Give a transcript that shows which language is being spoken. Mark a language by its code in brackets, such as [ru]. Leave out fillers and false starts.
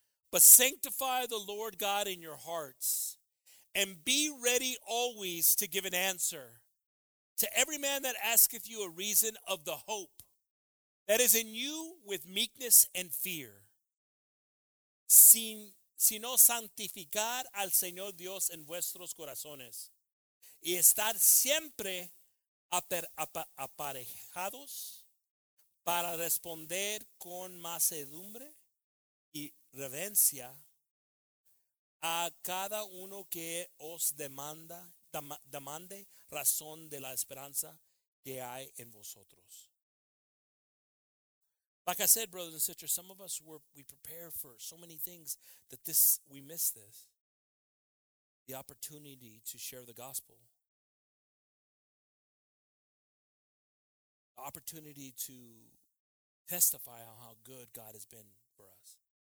[en] But sanctify the Lord God in your hearts and be ready always to give an answer to every man that asketh you a reason of the hope that is in you with meekness and fear. [es] Sino santificar al Señor Dios en vuestros corazones y estar siempre aparejados para responder con mansedumbre y reverencia a cada uno que os demande razón de la esperanza que hay en vosotros. [en] Like I said, brothers and sisters, some of us we prepare for so many things that we miss this. The opportunity to share the gospel. The opportunity to testify on how good God has been for us.